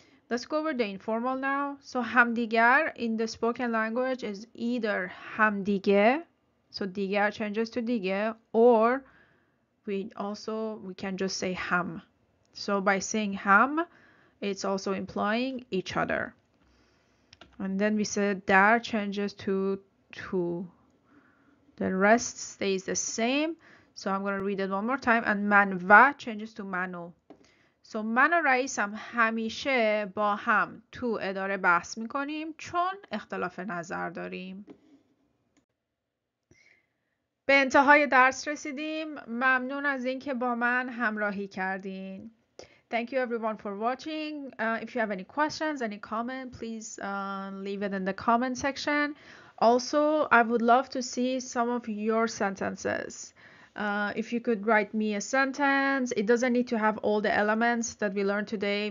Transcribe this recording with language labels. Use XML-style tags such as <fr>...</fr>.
<en>Let's go over the informal now. So همدیگر in the spoken language is either همدیگه, so دیگر changes to دیگه, or we can just say هم. So by saying هم, it's also implying each other. And then we said در changes to تو. The rest stays the same. So I'm going to read it one more time. And من و changes to منو.</en> <fa>So من و رئیسم همیشه با هم تو اداره بحث میکنیم چون اختلاف نظر داریم. به انتهای درس رسیدیم. ممنون از اینکه با من همراهی کردین.</fa> <en>Thank you everyone for watching. If you have any questions, any comment, please leave it in the comment section. Also, I would love to see some of your sentences. If you could write me a sentence, it doesn't need to have all the elements that we learned today.</en>